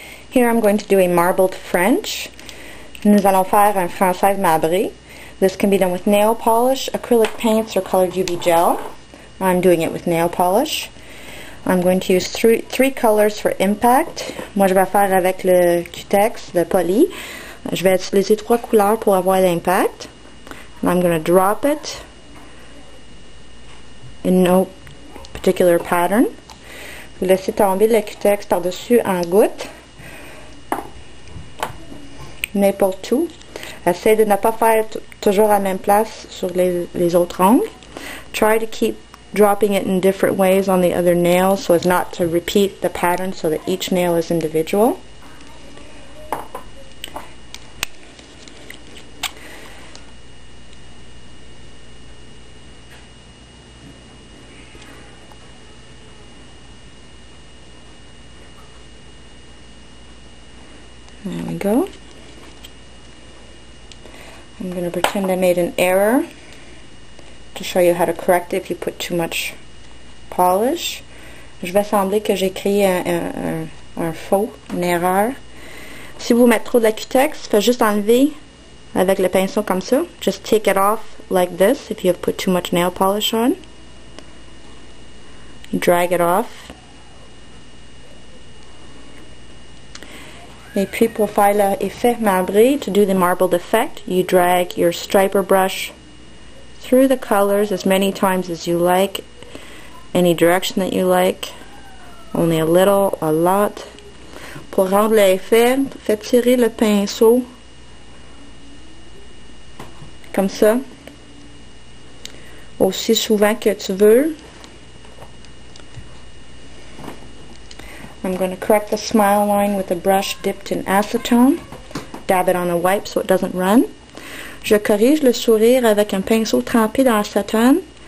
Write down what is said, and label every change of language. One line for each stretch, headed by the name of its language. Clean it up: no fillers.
English: Here I'm going to do a marbled French.
French: Nous allons faire un francaise marbré.
English: This can be done with nail polish, acrylic paints, or colored UV gel. I'm doing it with nail polish. I'm going to use three colors for impact.
French: Moi, je vais faire avec le cutex, le poli. Je vais utiliser trois couleurs pour avoir l'impact.
English: And I'm going to drop it in no particular pattern.
French: Vous laissez tomber le cutex par-dessus en gouttes. N'importe où. Essayez de ne pas faire toujours à la même place sur les autres ongles.
English: Try to keep dropping it in different ways on the other nails so as not to repeat the pattern so that each nail is individual. There we go. I'm going to pretend I made an error to show you how to correct it if you put too much polish.
French: Je vais sembler que j'ai créé un faux, une erreur. Si vous mettez trop de la cutex, faut juste enlever avec le pinceau comme ça.
English: Just take it off like this if you have put too much nail polish on. Drag it off.
French: Et puis pour faire l'effet marbré,
English: to do the marbled effect, you drag your striper brush through the colors as many times as you like, any direction that you like, only a little, a lot.
French: Pour rendre l'effet, fais tirer le pinceau comme ça, aussi souvent que tu veux.
English: I'm going to correct the smile line with a brush dipped in acetone. Dab it on a wipe so it doesn't run.
French: Je corrige le sourire avec un pinceau trempé dans l'acétone.